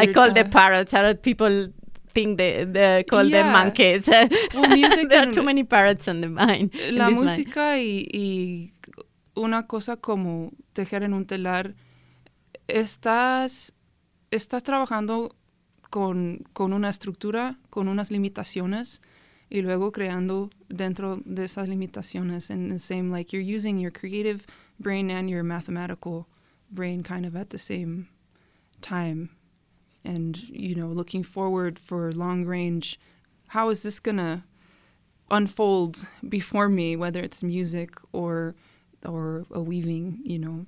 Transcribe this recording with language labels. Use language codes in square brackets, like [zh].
[en] I call the parrots, other people think they call them monkeys. Well, music there are too many parrots in the mind. [es] La música y una cosa como tejer en un telar, estás trabajando con una estructura, con unas limitaciones, y luego creando dentro de esas limitaciones. [en] And the same, like, you're using your creative brain and your mathematical brain kind of at the same time. And, you know, looking forward for long range, how is this going to unfold before me, whether it's music or a weaving, you know.